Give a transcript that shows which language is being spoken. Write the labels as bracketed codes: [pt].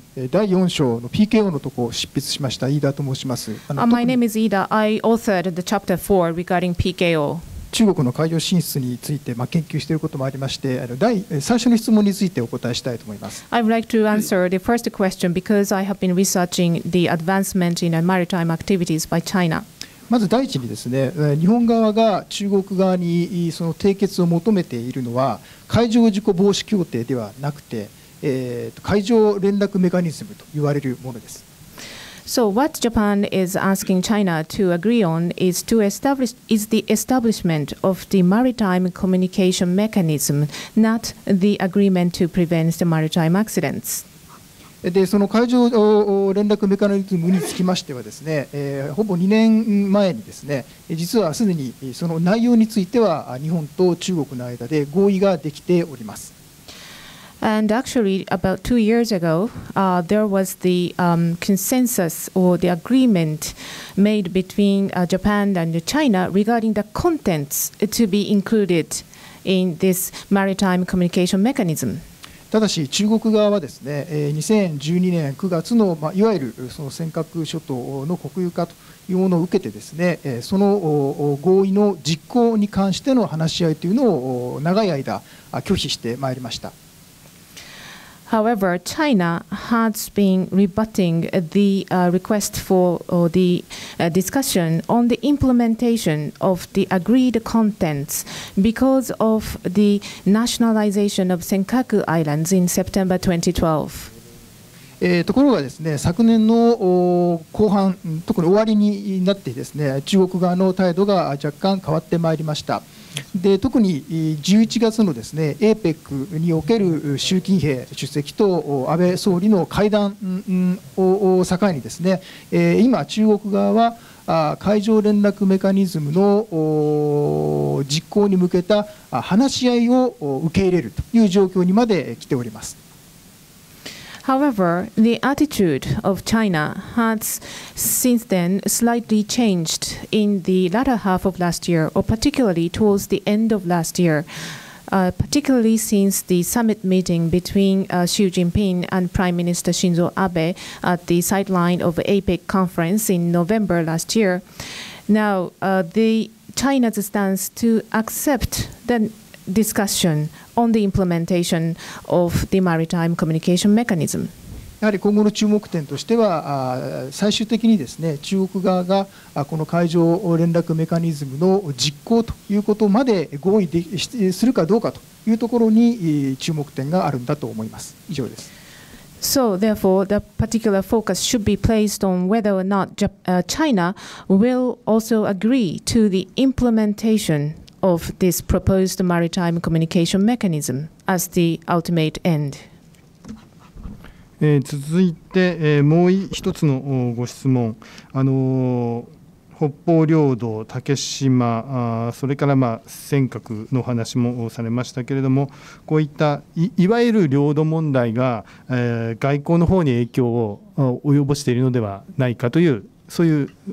[ja] 第4章の PKO のところを執筆しました飯田と申します。 [en] My name is Ida. I authored the chapter 4 regarding PKO. [ja] 中国の海洋進出について研究していることもありまして、最初の質問についてお答えしたいと思います。 [en] I would like to answer the first question because I have been researching the advancement in maritime activities by China. [ja] まず第一にですね、日本側が中国側にその締結を求めているのは海上事故防止協定ではなくて、海上連絡メカニズムと言われるものです。 [en] So what Japan is asking China to agree on is to establish is the establishment of the maritime communication mechanism, not the agreement to prevent the maritime accidents. [ja] で、その海上連絡メカニズムにつきましてはですね、ほぼ2年前にですね、実はすでにその内容については日本と中国の間で合意ができております。 [en] And actually, about 2 years ago, there was the consensus or the agreement made between Japan and China regarding the contents to be included in this maritime communication mechanism. [ja] ただし、中国側はですね、2012年9月の、まあ、いわゆるその尖閣諸島の国有化というものを受けてですね、その合意の実行に関しての話し合いというのを長い間拒否してまいりました。 [en] However, China has been rebutting the request for the discussion on the implementation of the agreed contents because of the nationalization of Senkaku Islands in September 2012. [ja] ところがですね、昨年の後半、特に終わりになってですね、中国側の態度が若干変わってまいりました。で特に11月のですね、APEC における習近平主席と安倍総理の会談を境にですね、今、中国側は海上連絡メカニズムの実行に向けた話し合いを受け入れるという状況にまで来ております。 [en] However, the attitude of China has since then slightly changed in the latter half of last year, or particularly towards the end of last year, particularly since the summit meeting between Xi Jinping and Prime Minister Shinzo Abe at the sideline of APEC conference in November last year. Now, China's stance to accept the discussion on the implementation of the maritime communication mechanism. [ja] やはり今後の注目点としては、最終的にですね、中国側がこの海上連絡メカニズムの実行ということまで合意するかどうかというところに注目点があるんだと思います。以上です。 [en] So therefore, the particular focus should be placed on whether or not China will also agree to the implementationof this proposed maritime communication mechanism as the ultimate end. [ja] 続いて、もう一つのご質問、北方領土、竹島、それから、まあ、尖閣の話もされましたけれども、こういった いわゆる領土問題が、外交の方に影響を及ぼしているのではないかという、そういう。